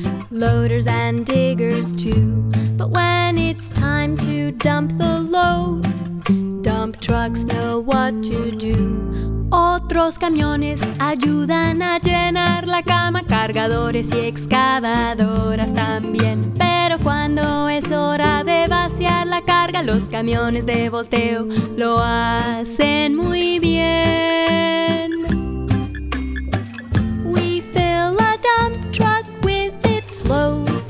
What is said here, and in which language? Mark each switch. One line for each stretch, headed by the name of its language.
English: Loaders and diggers too, but when it's time to dump the load, dump trucks know what to do.
Spanish: Otros camiones ayudan a llenar la cama, cargadores y excavadoras también. Pero cuando es hora de vaciar la carga, los camiones de volteo lo hacen muy bien.
English: We fill a dump truck with its load.